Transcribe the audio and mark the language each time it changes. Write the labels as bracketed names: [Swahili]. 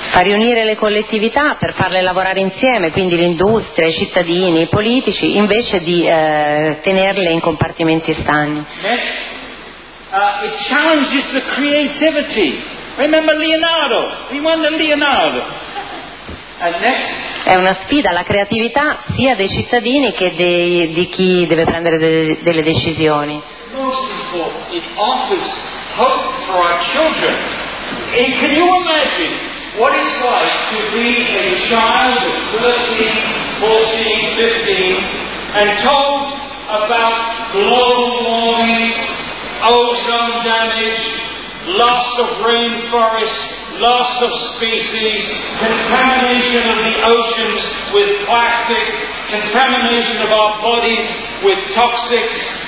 [Italian] Far riunire le collettività per farle lavorare insieme, quindi l'industria, i cittadini, i politici, invece di tenerle in compartimenti stagni. [English] It challenges the creativity. Remember Leonardo? He won the Leonardo. And next. [Italian] È una sfida alla creatività sia dei cittadini che di chi deve prendere delle decisioni. [English] Most important, it offers hope for our children. And can you imagine what it's like to be a child of 13, 14, 15 and told about global warming, ozone damage, loss of rainforest, loss of species, contamination of the oceans with plastic, contamination of our bodies with toxics?